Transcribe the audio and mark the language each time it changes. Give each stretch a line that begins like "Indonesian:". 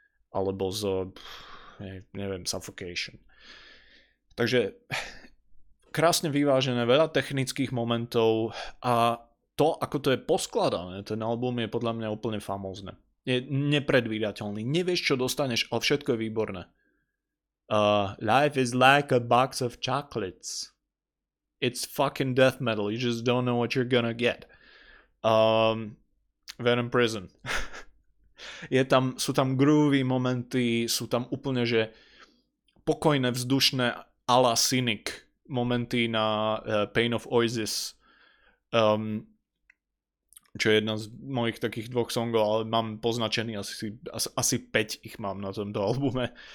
Slovak: Alebo z, neviem, Suffocation. Takže krásne vyvážené, veľa technických momentov a to, ako to je poskladané, ten album je podľa mňa úplne famózne. Je nepredvídateľný. Nevieš, čo dostaneš, ale všetko je výborné.
English: Life is like a box of chocolates. It's fucking death metal. You just don't know what you're gonna get. Venom Prison.
Slovak: Je tam, sú tam groovy momenty, sú tam úplne, že pokojné, vzdušné a la Cynic momenty na Pain of Oasis. Čo je jedna z mojich takých dvoch songov, ale mám poznačený, asi 5 ich mám na tomto albume.